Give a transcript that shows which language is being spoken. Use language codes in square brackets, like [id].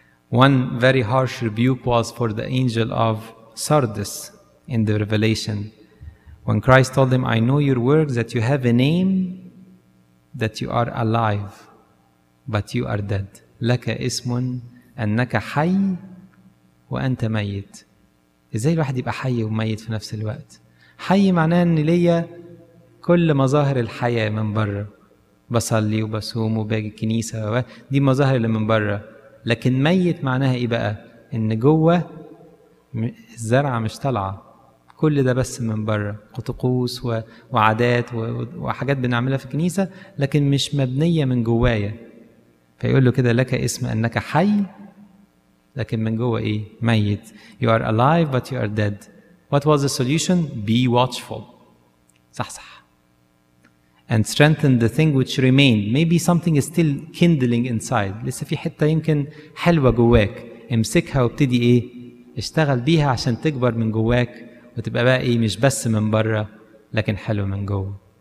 [en] One very harsh rebuke was for the angel of Sardis in the Revelation. When Christ told him, I know your works, that you have a name, that you are alive, but you are dead. [ar] لَكَ إِسْمٌ أَنَّكَ حَيٌّ وَأَنْتَ مَيِّتٌ. إزاي الواحد يبقى حي وميت في نفس الوقت؟ حي معناه أن لي كل مظاهر الحياة من بره، بصلي وبصوم وباجي الكنيسة، دي مظاهر اللي من بره. لكن ميت معناها إيه بقى؟ أن جوه الزرعة مش طالعة، كل ده بس من بره، طقوس وعادات وحاجات بنعملها في الكنيسة، لكن مش مبنية من جوايا. فيقول له كده، لك اسم أنك حي، لكن من جوه إيه؟ ميت. [en] You are alive but you are dead. What was the solution? Be watchful. [ar] صح. [en] And strengthen the thing which remained. Maybe something is still kindling inside. [ar] لسه في حتة يمكن حلوة جواك. امسكها وابتدي إيه؟ اشتغل بيها عشان تكبر من جواك وتبقى بقى إيه؟ مش بس من برة لكن حلو من جوه.